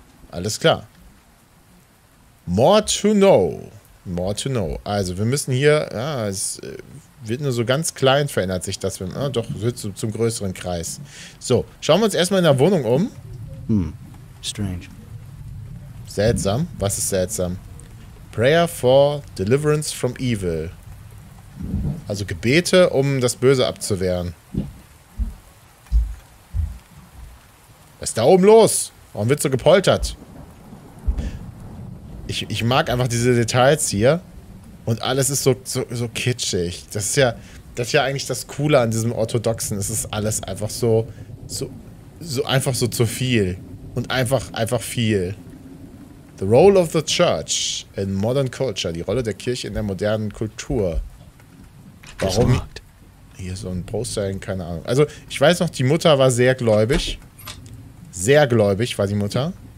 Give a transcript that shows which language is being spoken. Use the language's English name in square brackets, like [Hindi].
[German] Alles klar. [English] More to know. More to know. [German] Also, wir müssen hier... Ja, es wird nur so ganz klein, verändert sich das. Doch, wird zum größeren Kreis. So, schauen wir uns erstmal in der Wohnung um. [English] Strange. [German] Seltsam. Was ist seltsam? [English] Prayer for deliverance from evil. [German] Also Gebete, um das Böse abzuwehren. Was ist da oben los? Warum wird so gepoltert? Ich mag einfach diese Details hier. Und alles ist so kitschig. Das ist ja eigentlich das Coole an diesem Orthodoxen. Es ist alles einfach so einfach so zu viel. Und einfach viel. [English] The role of the church in modern culture. [German] Die Rolle der Kirche in der modernen Kultur. Warum? Hier ist so ein Poster, keine Ahnung. Also, ich weiß noch, die Mutter war sehr gläubig. Sehr gläubig war die Mutter.